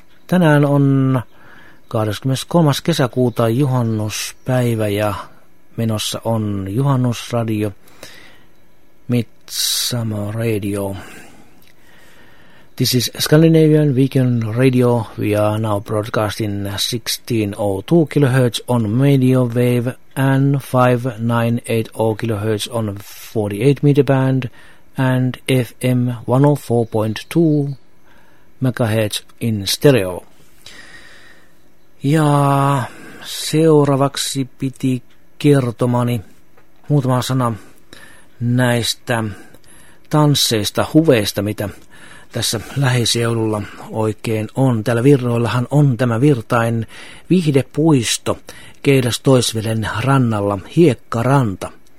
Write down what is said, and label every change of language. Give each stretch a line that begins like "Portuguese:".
Finnish: Tänään on 23. kesäkuuta juhannuspäivä ja menossa on juhannusradio Midsummer Radio.
English: This is Scandinavian Weekend Radio. We are now broadcasting 1602 kHz on radio wave and 5980 kHz on 48 meter band and FM 104.2 MHz in stereo.
Finnish: Ja seuraavaksi piti kertomani muutama sana näistä tansseista, huveista, mitä tässä lähiseudulla oikein on. Täällä Virroillahan on tämä Virtain viihdepuisto Keidas-Toisveden rannalla, Hiekkaranta.